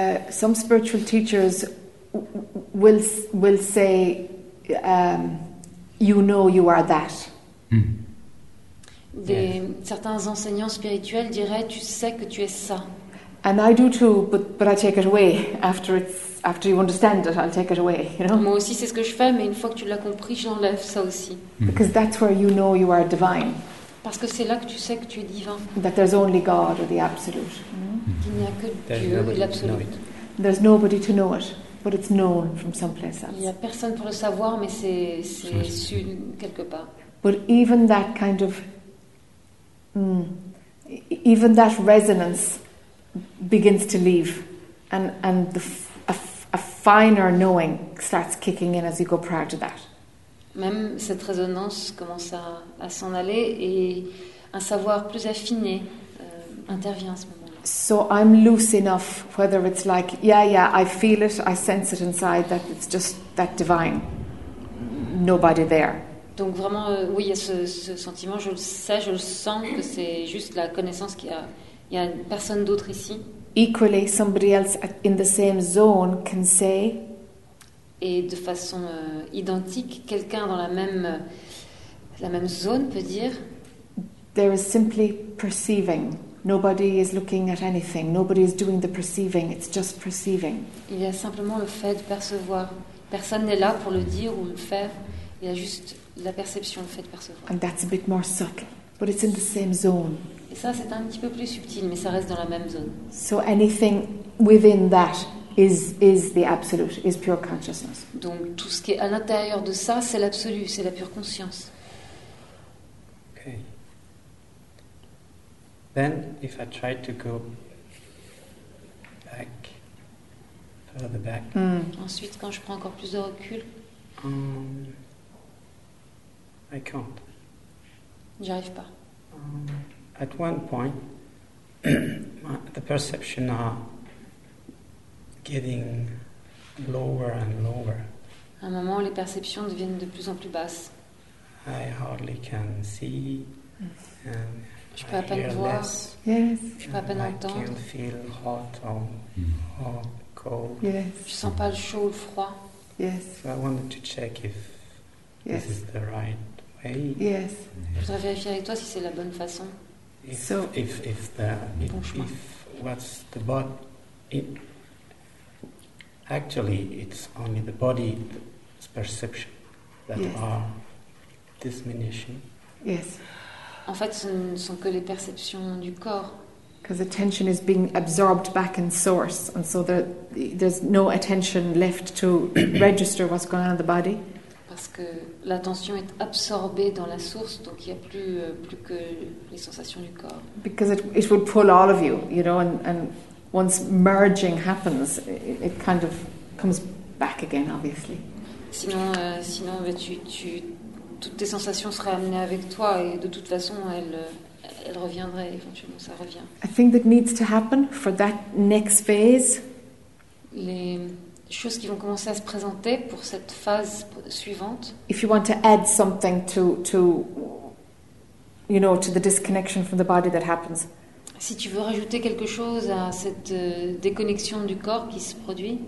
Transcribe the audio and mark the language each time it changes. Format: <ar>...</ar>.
<en>Some spiritual teachers will say, you know you are that.</en> <fr>Certains enseignants spirituels diraient, tu sais que tu es ça.</fr> <en>And I do too, but I take it away after it's. After you understand it, I'll take it away. You know?</en> <fr>Moi aussi, c'est ce que je fais, mais une fois que tu l'as compris, j'enlève ça aussi.</fr> <en>Because that's where you know you are divine.</en> <fr>Parce que c'est là que tu sais que tu es divin.</fr> <en>That there's only God or the Absolute.</en> <fr>Qu'il n'y a que Dieu et l'Absolu.</fr> <en>There's nobody to know it, but it's known from someplace else.</en> <fr>Il n'y a personne pour le savoir, mais c'est su quelque part.</fr> <en>But even that kind of, even that resonance begins to leave, and the a finer knowing starts kicking in as you go prior to that.</en> <fr>Même cette résonance commence à s'en aller et un savoir plus affiné intervient à ce moment-là.</fr> <en>So I'm loose enough, whether it's like, yeah, I feel it, I sense it inside, that it's just that divine, nobody there.</en> <fr>Donc vraiment, oui, il y a ce sentiment, je le sais, je le sens, que c'est juste la connaissance qu'il y a personne d'autre ici.</fr> <en>Equally, somebody else in the same zone can say.</en> <fr>Et de façon identique, quelqu'un dans la même zone peut dire.</fr> <en>There is simply perceiving. Nobody is looking at anything. Nobody is doing the perceiving. It's just perceiving.</en> <fr>Il y a simplement le fait de percevoir. Personne n'est là pour le dire ou le faire. Il y a juste la perception, le fait de percevoir.</fr> <en>And that's a bit more subtle, but it's in the same zone.</en> <fr>Et ça, c'est un petit peu plus subtil, mais ça reste dans la même zone.</fr> <en>So anything within that is the absolute, is pure consciousness.</en> <fr>Donc tout ce qui est à l'intérieur de ça, c'est l'absolu, c'est la pure conscience.</fr> <en>Okay. Then, if I try to go back, further back.</en> <fr>Ensuite, quand je prends encore plus de recul.</fr> <en>I can't.</en> <fr>J'arrive pas.</fr> <en>At one point, the perceptions are getting lower and lower.</en> <fr>À un moment, les perceptions deviennent de plus en plus basses.</fr> <en>I hardly can see.</en> <fr>Je peux à peine voir.</fr> <en>Less. Yes.</en> <fr>Je peux à peine entendre.</fr> <en>I can't feel hot or cold. Yes.</en> <fr>Je sens pas le chaud ou le froid.</fr> <en>Yes. So I wanted to check if this is the right way. Yes.</en> <fr>Je voudrais vérifier avec toi si c'est la bonne façon.</fr> <en>If what's the body, it actually it's only the body's perception that are diminishing. Yes.</en> <fr>En fait, ce ne sont que les perceptions du corps.</fr> <en>Because attention is being absorbed back in source, and so there's no attention left to register what's going on in the body.</en> <fr>Parce que l'attention est absorbée dans la source, donc il n'y a plus que les sensations du corps.</fr> <en>Because it would pull all of you, you know, and once merging happens, it kind of comes back again, obviously.</en> <fr>Sinon, tu toutes tes sensations seraient amenées avec toi, et de toute façon, elles reviendraient éventuellement. Ça revient.</fr> <en>I think that needs to happen for that next phase.</en> <fr>Les choses qui vont commencer à se présenter pour cette phase suivante.</fr> <en>If you want to add something to you know, to the disconnection from the body that happens.</en> <fr>Si tu veux rajouter quelque chose à cette déconnexion du corps qui se produit.</fr>